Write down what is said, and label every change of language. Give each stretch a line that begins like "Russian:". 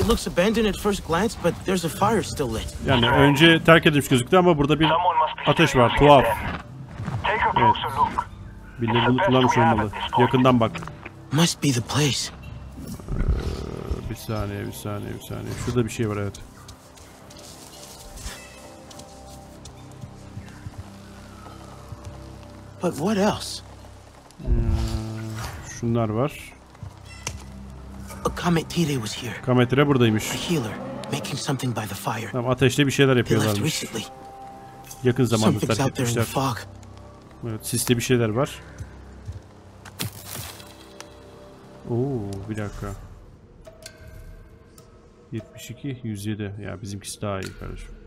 English: It looks abandoned at first glance, but there's a fire still lit.
Turkish: Yani önce terk edilmiş gözüktü ama burada bir ateş var. Tuhaf.
English: Take a closer evet. Look.
Turkish: Bilir bunu kullanmış olmalı. Yakından bak.
English: Must be the place.
Turkish: Bir saniye. Şurada bir şey var evet.
English: But what else?
Turkish: Şunlar var.
English: A Kametire was here.
Turkish: Kametire buradaymış.
English: A healer making something by the fire.
Turkish: Tamam, ateşte bir şeyler yapıyorlarmış. Yakın zamanda terk etmişler. Evet, siste bir şeyler var. Oo, bir dakika. 72, 107. Ya bizimkisi daha iyi kardeşim.